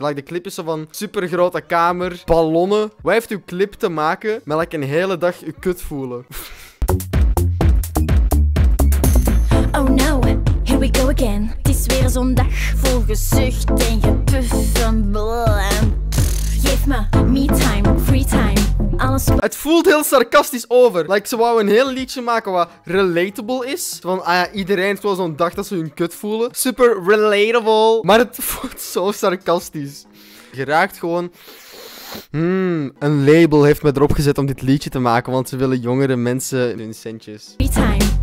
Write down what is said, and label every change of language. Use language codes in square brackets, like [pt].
[nl] Like, de clip is zo van supergrote kamer, ballonnen. Wat heeft uw clip te maken met like, een hele dag uw kut voelen? [en] Oh no. We go again. [nl] Het is weer zo'n dag vol gezucht en gepuff en blam. Geef me [en] me time, free time. [nl] Alles. Het voelt heel sarcastisch over. Like, ze wou een heel liedje maken wat relatable is. Van, ah ja, iedereen heeft wel zo'n dag dat ze hun kut voelen. Super relatable. Maar het voelt zo sarcastisch. Je raakt gewoon... een label heeft me erop gezet om dit liedje te maken, want ze willen jongere mensen hun centjes. [en] Free time.